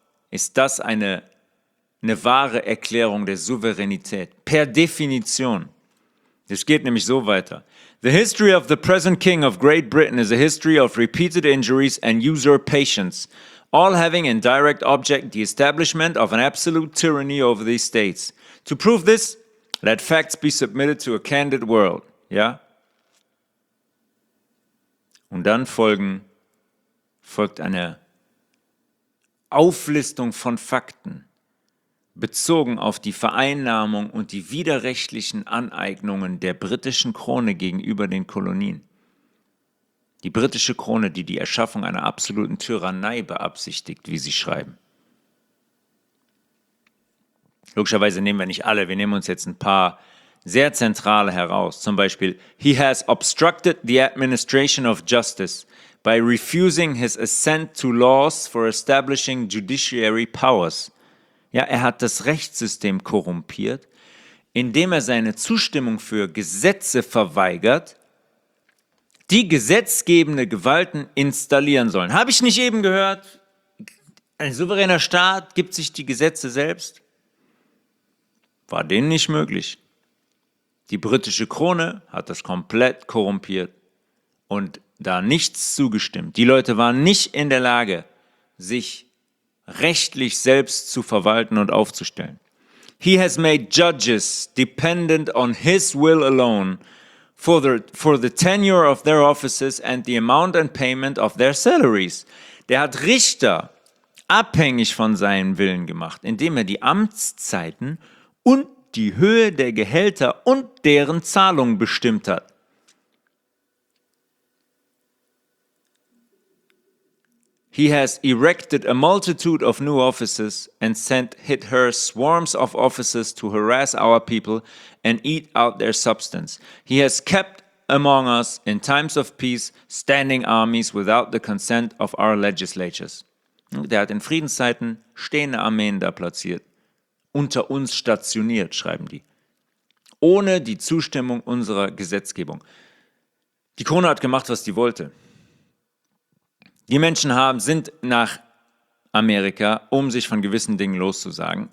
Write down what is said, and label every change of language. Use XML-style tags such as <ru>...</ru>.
<de>Ist das eine wahre Erklärung der Souveränität? Per Definition. Es geht nämlich so weiter.</de> <en>The history of the present king of Great Britain is a history of repeated injuries and usurpations, all having in direct object the establishment of an absolute tyranny over these states. To prove this, let facts be submitted to a candid world.</en> <de>Ja? Und dann folgt eine Auflistung von Fakten bezogen auf die Vereinnahmung und die widerrechtlichen Aneignungen der britischen Krone gegenüber den Kolonien. Die britische Krone, die die Erschaffung einer absoluten Tyrannei beabsichtigt, wie sie schreiben. Logischerweise nehmen wir nicht alle, wir nehmen uns jetzt ein paar sehr zentrale heraus, zum Beispiel,</de> <en>he has obstructed the administration of justice by refusing his assent to laws for establishing judiciary powers.</en> <de>Ja, er hat das Rechtssystem korrumpiert, indem er seine Zustimmung für Gesetze verweigert, die gesetzgebende Gewalten installieren sollen. Habe ich nicht eben gehört? Ein souveräner Staat gibt sich die Gesetze selbst? War denen nicht möglich. Die britische Krone hat das komplett korrumpiert und da nichts zugestimmt. Die Leute waren nicht in der Lage, sich rechtlich selbst zu verwalten und aufzustellen.</de> <en>He has made judges dependent on his will alone for the tenure of their offices and the amount and payment of their salaries.</en> <de>Der hat Richter abhängig von seinem Willen gemacht, indem er die Amtszeiten und die Höhe der Gehälter und deren Zahlung bestimmt hat.</de> <en>He has erected a multitude of new offices and sent hither swarms of officers to harass our people and eat out their substance. He has kept among us in times of peace standing armies without the consent of our legislatures.</en> <de>Der hat in Friedenszeiten stehende Armeen da platziert, unter uns stationiert, schreiben die, ohne die Zustimmung unserer Gesetzgebung. Die Krone hat gemacht, was die wollte. Die Menschen sind nach Amerika, um sich von gewissen Dingen loszusagen.</de>